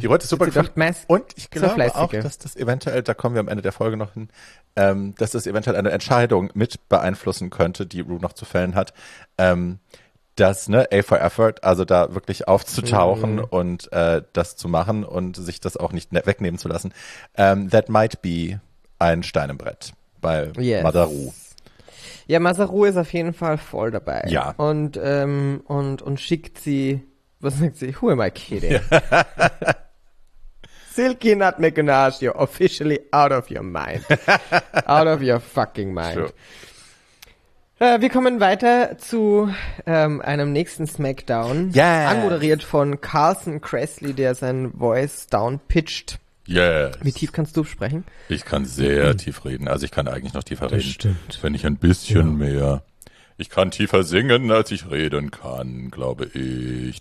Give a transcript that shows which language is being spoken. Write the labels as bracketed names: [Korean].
[German] Die Ruhe hat es super gefunden. Und ich glaube auch, dass das eventuell, da kommen wir am Ende der Folge noch hin, dass das eventuell eine Entscheidung mit beeinflussen könnte, die Ruhe noch zu fällen hat, dass, ne, A for Effort, also da wirklich aufzutauchen und das zu machen und sich das auch nicht wegnehmen zu lassen. [English] That might be [German] ein Stein im Brett bei Mother Ruhe. Ja, Masaru ist auf jeden Fall voll dabei. Ja. Und schickt sie, was sagt sie? [English] Who am I kidding? Silky Nut McGonagall, you're officially out of your mind. Out of your fucking mind. Sure. [German] Wir kommen weiter zu einem nächsten Smackdown. [English] Yes. [German] Anmoderiert von Carson Kressley, der sein Voice downpitcht. [English] Yes. [German] Wie tief kannst du sprechen? Ich kann sehr tief reden. Also ich kann eigentlich noch tiefer reden. Stimmt. Wenn ich ein bisschen mehr. Ich kann tiefer singen, als ich reden kann, glaube ich.